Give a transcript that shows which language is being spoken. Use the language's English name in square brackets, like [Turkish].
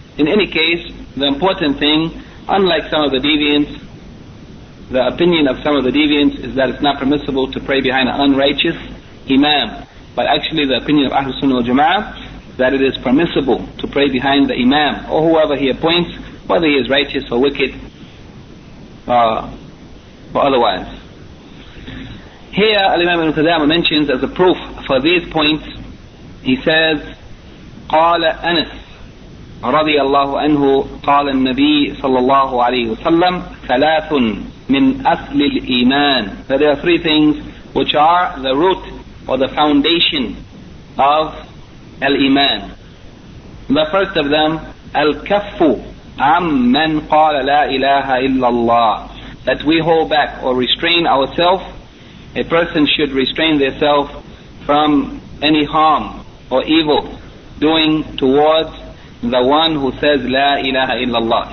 [English] In any case, the important thing, unlike some of the deviants, the opinion of some of the deviants is that it's not permissible to pray behind an unrighteous imam. But actually the opinion of Ahlul Sunnah wal Jama'ah, that it is permissible to pray behind the imam or whoever he appoints, whether he is righteous or wicked or otherwise. Here Al-Imam Al-Qadama mentions as a proof for these points, he says, [Arabic] قَالَ أَنَسْ رَضِيَ اللَّهُ أَنْهُ قَالَ النَّبِيِّ صَلَّى اللَّهُ عَلَيْهُ وَسَلَّمْ ثَلَاثٌ مِنْ أَصْلِ الْإِيمَانِ. [English] That there are three things which are the root or the foundation of Al-Iman. The first of them, [Arabic] Al-Kaffu Amman Qala La Ilaha Illallah. [English] That we hold back or restrain ourselves. A person should restrain themselves from any harm or evil doing towards the one who says La Ilaha Illallah.